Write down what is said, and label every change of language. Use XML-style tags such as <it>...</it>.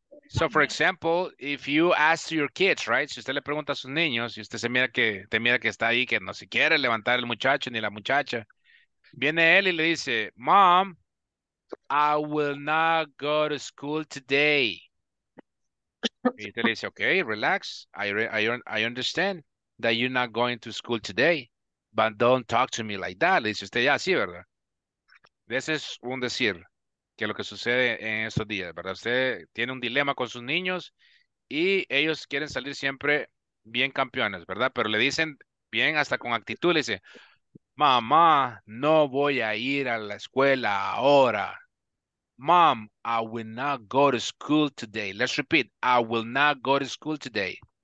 <en>So, for example, if you ask your kids, right?</en> <es>Si usted le pregunta a sus niños y usted se mira que, te mira que está ahí, que no se quiere levantar el muchacho ni la muchacha, viene él y le dice,</es> <en>Mom, I will not go to school today.</en> <es>Y usted le dice,</es> <en>okay, relax. I understand that you're not going to school today, but don't talk to me like that.</en> <es>Le dice usted, ya, sí, ¿verdad? Ese es un decir. Que es lo que sucede en estos días, ¿verdad? Usted tiene un dilema con sus niños y ellos quieren salir siempre bien campeones, ¿verdad? Pero le dicen bien hasta con actitud, le dice, Mamá, no voy a ir a la escuela ahora.</es> <en>Mom, I will not go to school today. Let's repeat, I will not go to school today.</en>